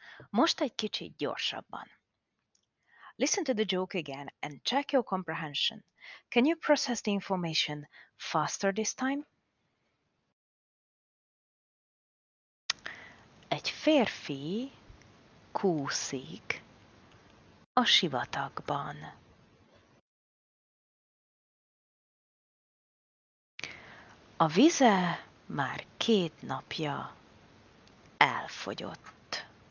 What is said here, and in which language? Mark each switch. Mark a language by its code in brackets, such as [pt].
[hu] Most egy kicsit gyorsabban. [en] Listen to the joke again and check your comprehension. Can you process the information faster this time? [hu] Egy férfi kúszik a sivatagban. A vize már két napja elfogyott.